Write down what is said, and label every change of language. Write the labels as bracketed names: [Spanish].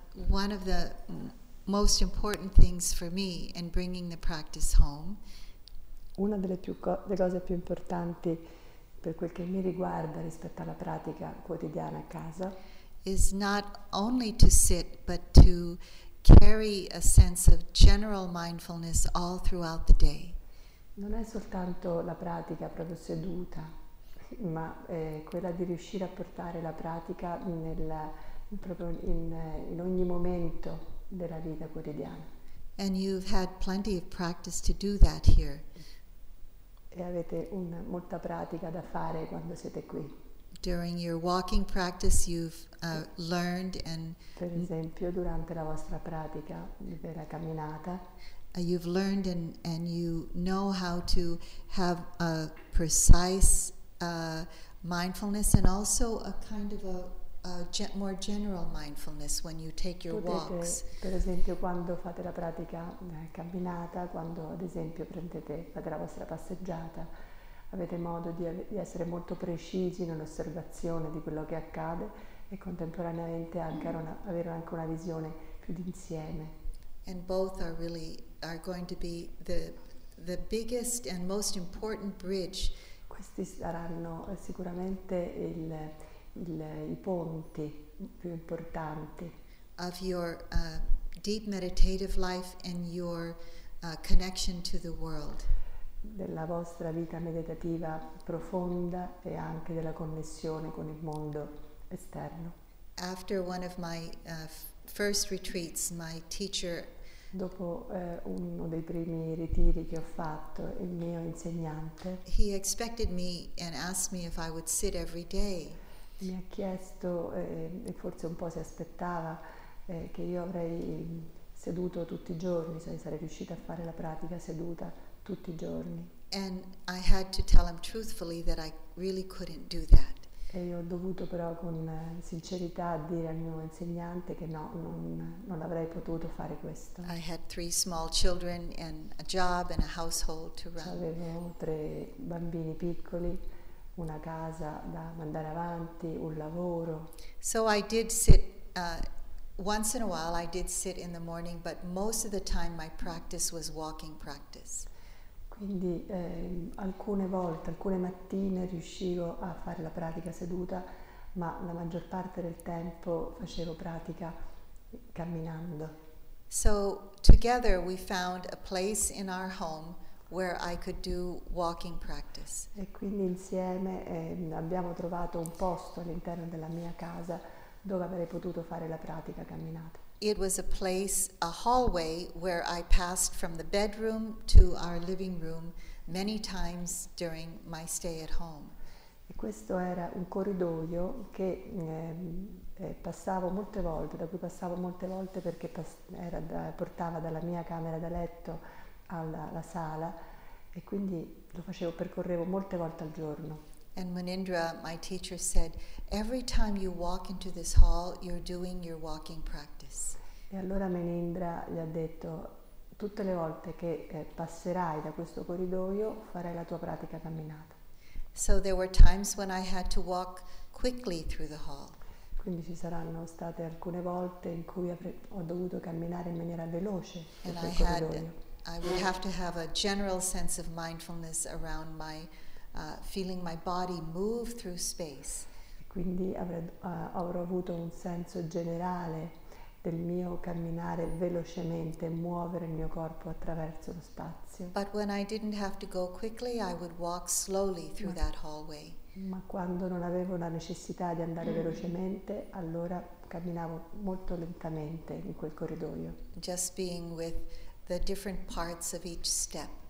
[English] One of the most important things for me in bringing the practice home. [Italian] Una delle cose più importanti per quel che mi riguarda rispetto alla pratica quotidiana a casa. [English] Is not only to sit, but to carry a sense of general mindfulness all throughout the day. [Italian] Non è soltanto la pratica proprio seduta, ma è quella di riuscire a portare la pratica in ogni momento della vita quotidiana. [English] And you've had plenty of practice to do that here. [Italian] E avete molta pratica da fare quando siete qui. [English] During your walking practice you've learned and [Italian] per esempio durante la vostra pratica della camminata [English] you've learned and you know how to have a precise mindfulness and also a kind of more general mindfulness when you take your walks. [Italian] Per esempio quando fate la pratica camminata, quando ad esempio fate la vostra passeggiata, avete modo di essere molto precisi nell'osservazione di quello che accade e contemporaneamente anche avere anche una visione più d'insieme. [English] And both are going to be the biggest and most important bridge. [Italian] Questi saranno sicuramente i ponti più importanti [English] of your deep meditative life and your connection to the world, [Italian] della vostra vita meditativa profonda e anche della connessione con il mondo esterno. [English] After one of my first retreats, my teacher, [Italian] dopo uno dei primi ritiri che ho fatto, il mio insegnante, [English] he expected me and asked me if I would sit every day. [Italian] Mi ha chiesto, e forse un po' si aspettava, che io avrei seduto tutti i giorni, cioè sarei riuscita a fare la pratica seduta tutti i giorni. [English] And I had to tell him truthfully that I really couldn't do that. [Italian] E io ho dovuto però con sincerità dire al mio insegnante che no, non avrei potuto fare questo. [English] I had three small children and a job and a household to run. [Italian] Avevo tre bambini piccoli, una casa da mandare avanti, un lavoro. [English] So I did sit once in a while I did sit in the morning, but most of the time my practice was walking practice. [Italian] Quindi alcune volte, alcune mattine riuscivo a fare la pratica seduta, ma la maggior parte del tempo facevo pratica camminando. [English] So together we found a place in our home where I could do walking practice. [Italian] E quindi insieme abbiamo trovato un posto all'interno della mia casa dove avrei potuto fare la pratica camminata. [English] It was a place, a hallway, where I passed from the bedroom to our living room many times during my stay at home. [Italian] E questo era un corridoio che passavo molte volte, da cui passavo molte volte perché portava dalla mia camera da letto alla sala, e quindi lo facevo, percorrevo molte volte al giorno. [English] And Munindra, my teacher, said, every time you walk into this hall, you're doing your walking practice. [Italian] E allora Munindra gli ha detto, tutte le volte che passerai da questo corridoio, farai la tua pratica camminata. [English] So there were times when I had to walk quickly through the hall. [Italian] Quindi ci saranno state alcune volte in cui ho dovuto camminare in maniera veloce per quel corridoio. [English] And I would have to have a general sense of mindfulness around my feeling my body move through space. [Italian] Quindi avrò avuto un senso generale del mio camminare velocemente, muovere il mio corpo attraverso lo spazio. [English] But when I didn't have to go quickly, I would walk slowly through that hallway. [Italian] Ma quando non avevo la necessità di andare velocemente, allora camminavo molto lentamente in quel corridoio. [English] Just being with the different parts of each step.